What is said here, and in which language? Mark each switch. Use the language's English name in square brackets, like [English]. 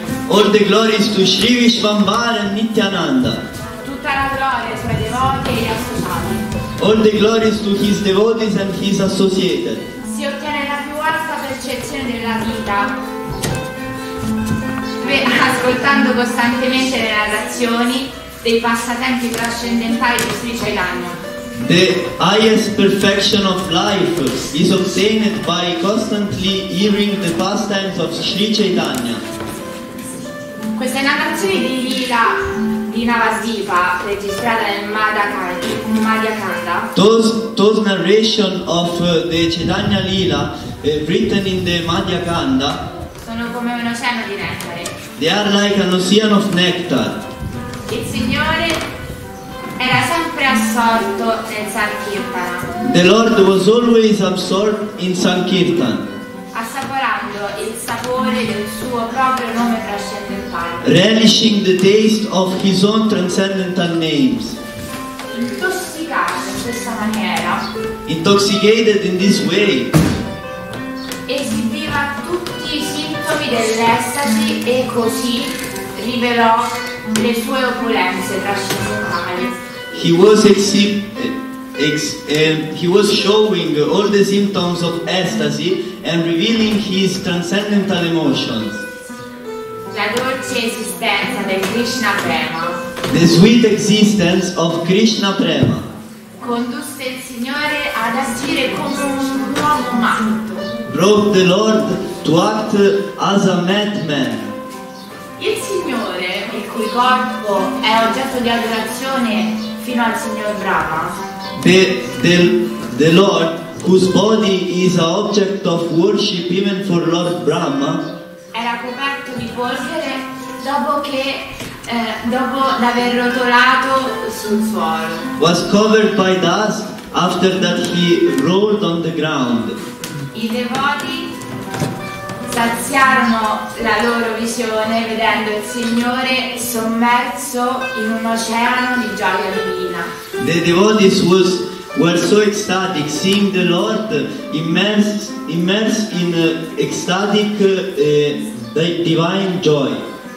[English] All the glories to Sri Vishvambara and Nityananda. [Italian] Tutta la gloria ai suoi devoti e gli associati. [English] All the glories to his devotees and his associates. [Italian] Si ottiene la più alta percezione della vita ascoltando costantemente le narrazioni dei passatempi trascendentali di Sri Chaitanya. [English] The highest perfection of life is obtained by constantly hearing the pastimes of Sri Chaitanya. [Italian] Queste narrazioni di Lila di Navadvipa, registrate nel Madhyakanda. [English] Those narration of the Chaitanya Lila written in the Madhyakanda. [Italian] Sono come un oceano di nettare. [English] They are like an ocean of nectar. [Italian] Il Signore era sempre assorto nel Sankirtana. [English] The Lord was always absorbed in Sankirtan. [Italian] Assaporando il sapore del suo proprio nome trascendentale. [English] Relishing the taste of his own transcendental names. [Italian] Intossicato in questa maniera. [English] Intoxicated in this way. [Italian] Esibiva tutti i sintomi dell'estasi e così rivelò le sue opulenze trascendentali. [English] He was showing all the symptoms of ecstasy and revealing his transcendental emotions. [Italian] La dolce esistenza del Krishna Prema. [English] The sweet existence of Krishna Prema. [Italian] Condusse il Signore ad agire come un uomo matto. [English] Brought the Lord to act as a madman. [Italian] Il Signore, il cui corpo è oggetto di adorazione fino al signor Brahma. [English] The Lord, whose body is an object of worship even for Lord Brahma, [Italian] era coperto di polvere dopo aver rotolato sul suolo. [English] Was covered by dust after that he rolled on the ground. [Italian] I devoti saziarono la loro visione vedendo il Signore sommerso in un oceano di gioia divina. [English] The devotees were so ecstatic seeing the Lord immersed in ecstatic divine joy.